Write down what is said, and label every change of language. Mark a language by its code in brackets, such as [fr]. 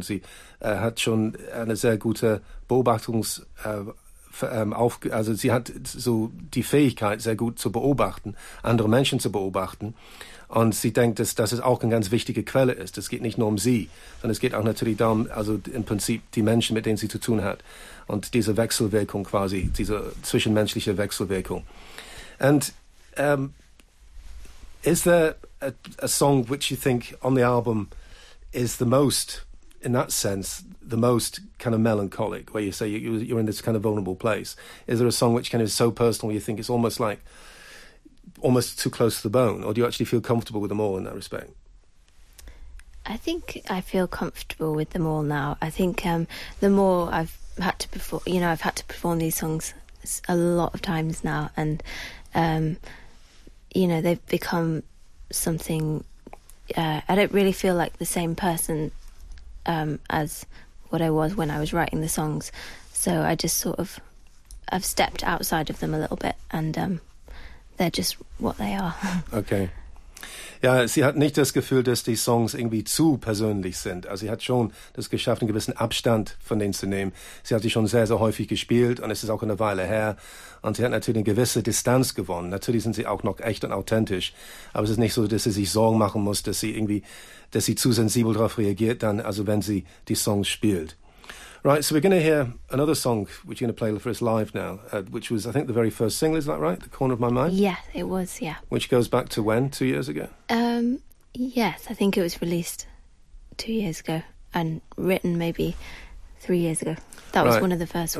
[de] Sie hat schon eine sehr gute Beobachtungs sie hat so die Fähigkeit, sehr gut zu beobachten, andere Menschen zu beobachten. Und sie denkt, dass es auch eine ganz wichtige Quelle ist. Es geht nicht nur um sie, sondern es geht auch natürlich darum, also im Prinzip die Menschen, mit denen sie zu tun hat. Und diese Wechselwirkung quasi, diese zwischenmenschliche Wechselwirkung. [en] And is there a song which you think on the album is the most, in that sense, the most kind of melancholic, where you say you're in this kind of vulnerable place? Is there a song which kind of is so personal where you think it's almost like, almost too close to the bone? Or do you actually feel comfortable with them all in that respect? I think I feel comfortable with them all now. I think the more I've had to perform, you know, I've had to perform these songs a lot of times now, and, you know, they've become something, I don't really feel like the same person as what I was when I was writing the songs, so I just sort of I've stepped outside of them a little bit, and they're just what they are. Okay. [de] Ja, sie hat nicht das Gefühl, dass die Songs irgendwie zu persönlich sind. Also sie hat schon das geschafft, einen gewissen Abstand von denen zu nehmen. Sie hat sie schon sehr, sehr häufig gespielt und es ist auch eine Weile her. Und sie hat natürlich eine gewisse Distanz gewonnen. Natürlich sind sie auch noch echt und authentisch. Aber es ist nicht so, dass sie sich Sorgen machen muss, dass sie irgendwie, dass sie zu sensibel darauf reagiert dann, also wenn sie die Songs spielt. [en] Right, so we're going to hear another song which you're going to play for us live now, which was, I think, the very first single, is that right? The Corner of My Mind? Yes, it was, yeah. Which goes back to when, 2 years ago? Yes, I think it was released 2 years ago and written maybe 3 years ago. That right. was one of the first ones.